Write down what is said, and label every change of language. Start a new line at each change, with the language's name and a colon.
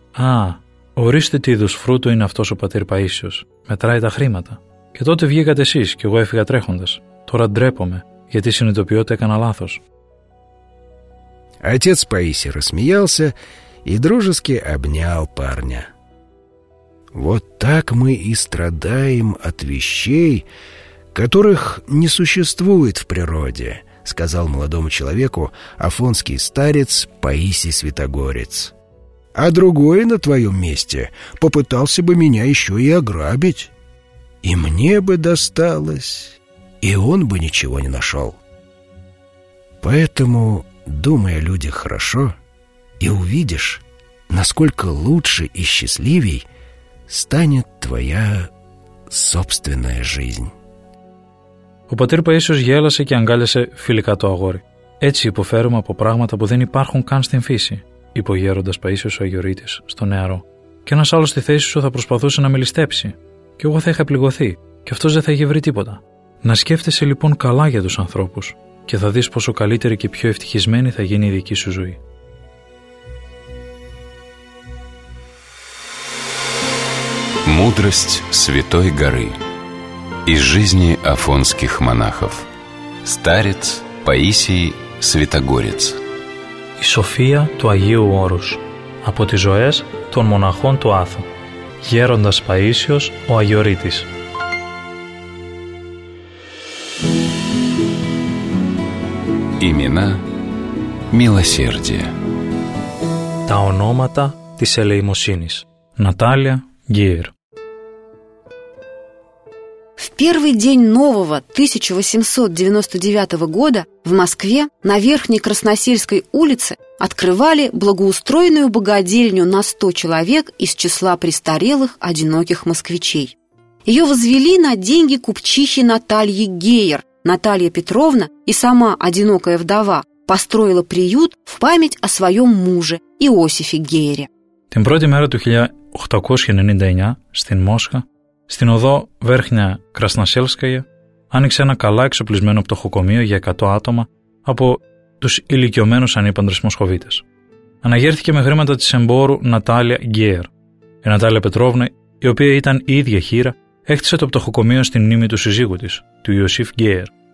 Greek: Α, ορίστε τι είδους φρούτου είναι αυτός ο πατήρ Παΐσιος. Μετράει τα χρήματα. Και τότε βγήκατε εσείς και εγώ έφυγα τρέχοντας. Τώρα ντρέπομαι, γιατί συνειδητοποιώ ότι έκανα λάθος».
Russian: Отец Паисий рассмеялся и дружески обнял парня. Вот так мы и страдаем от вещей, которых не существует в природе, сказал молодому человеку афонский старец Паисий Святогорец. А другой на твоем месте попытался бы меня еще и ограбить. И мне бы досталось, и он бы ничего не нашел. Поэтому думай о людях хорошо, и увидишь, насколько лучше и счастливей станет твоя собственная жизнь.
Greek: Ο πατήρ Παΐσιος γέλασε και αγκάλιασε φιλικά το αγόρι. «Έτσι υποφέρουμε από πράγματα που δεν υπάρχουν καν στην φύση», είπε ο γέροντας Παΐσιος ο Αγιορείτης στο νεαρό. «Και ένας άλλος στη θέση σου θα προσπαθούσε να με ληστέψει. Και εγώ θα είχα πληγωθεί, και αυτός δεν θα είχε βρει τίποτα. Να σκέφτεσαι λοιπόν καλά για τους ανθρώπους και θα δεις πόσο καλύτερη και πιο ευτυχισμένη θα γίνει η δική σου ζωή.
Russian: Мудрость Святой Горы из жизни афонских монахов. Старец Паисий Святогорец.
Greek: Η Σοφία του Αγίου Όρους από τις ζωές των μοναχών του Άθου. Γέροντας Παΐσιος ο Αγιορείτης.
Russian: Имена милосердия.
Greek: Τα ονόματα της ελεημοσύνης. Νατάλια Γκίερ.
Russian: В первый день нового 1899 года в Москве на Верхней Красносельской улице открывали благоустроенную богадельню на 100 человек из числа престарелых одиноких москвичей. Ее возвели на деньги купчихи Натальи Гейер. Наталья Петровна и сама одинокая вдова построила приют в память о своем муже Иосифе Гейере.
Greek: Την πρώτη мера του 1899 στην Мосха στην οδό Верхня Красносельская άνοιξε ένα καλά εξοπλισμένο πτωχοκομείο για 100 άτομα από τους ηλικιωμένους ανήπαντρες Μοσχοβίτες. Αναγέρθηκε με χρήματα της εμπόρου Νατάλια Γκέερ. Η Νατάλια Πετρόβνα, η οποία ήταν η ίδια χείρα, έχτισε το πτωχοκομείο στη μνήμη του σύζυγου της, του Ιωσήφ Γκέερ.